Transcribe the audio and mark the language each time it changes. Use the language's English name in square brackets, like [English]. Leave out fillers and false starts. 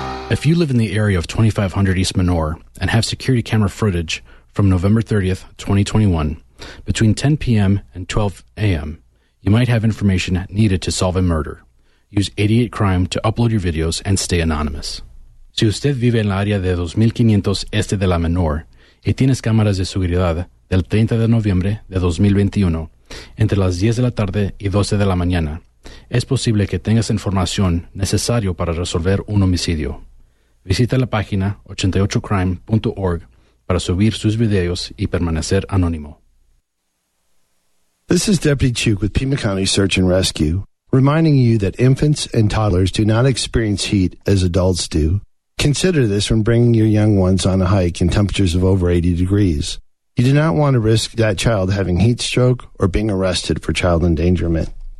[English] If you live in the area of 2500 East Menor and have security camera footage from November 30th, 2021, between 10 p.m. and 12 a.m., you might have information needed to solve a murder. Use 88 Crime to upload your videos and stay anonymous. [Spanish] Si usted vive en la área de 2500 Este de la Menor y tienes cámaras de seguridad del 30 de noviembre de 2021 entre las 10 de la tarde y 12 de la mañana, es posible que tengas información necesaria para resolver un homicidio. Visita la página 88crime.org para subir sus videos y permanecer anónimo. [English] This is Deputy Chuk with Pima County Search and Rescue, reminding you that infants and toddlers do not experience heat as adults do. Consider this when bringing your young ones on a hike in temperatures of over 80 degrees. You do not want to risk that child having heat stroke or being arrested for child endangerment.